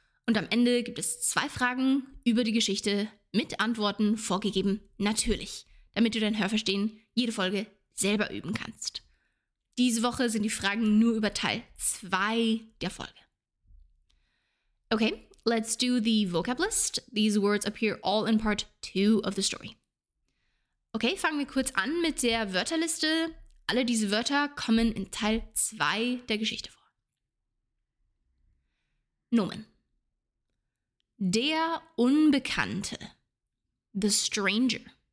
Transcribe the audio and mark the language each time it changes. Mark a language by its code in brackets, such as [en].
[de] Und am Ende gibt es 2 Fragen über die Geschichte mit Antworten vorgegeben, natürlich, damit du dein Hörverstehen jede Folge selber üben kannst. Diese Woche sind die Fragen nur über Teil 2 der Folge. [en] Okay, let's do the vocab list. These words appear all in part 2 of the story. [de] Okay, fangen wir kurz an mit der Wörterliste. Alle diese Wörter kommen in Teil 2 der Geschichte vor. Nomen. Der Unbekannte. [en] The stranger.